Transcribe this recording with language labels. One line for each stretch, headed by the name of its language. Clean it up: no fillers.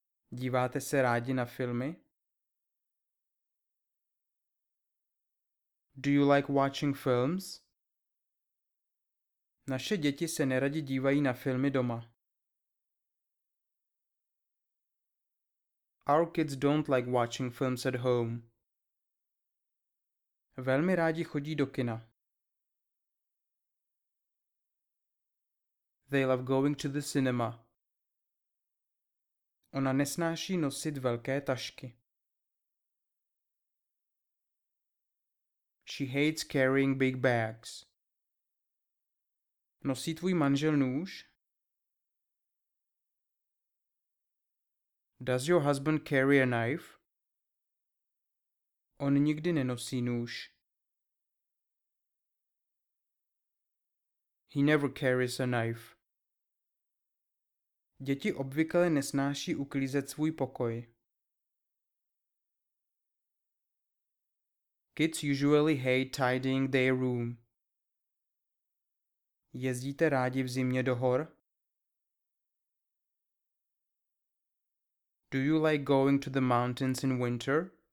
Czech: Díváte se rádi na filmy?
English: Do you like watching films?
Czech: Naše děti se neradi dívají na filmy doma.
English: Our kids don't like watching films at home.
Czech: Velmi rádi chodí do kina.
English: They love going to the cinema.
Czech: Ona nesnáší nosit velké tašky.
English: She hates carrying big bags.
Czech: Nosí tvůj manžel nůž?
English: Does your husband carry a knife?
Czech: On nikdy nenosí nůž.
English: He never carries a knife.
Czech: Děti obvykle nesnáší uklízet svůj pokoj.
English: Kids usually hate tidying their room.
Czech: Jezdíte rádi v zimě do hor?
English: Do you like going to the mountains in winter?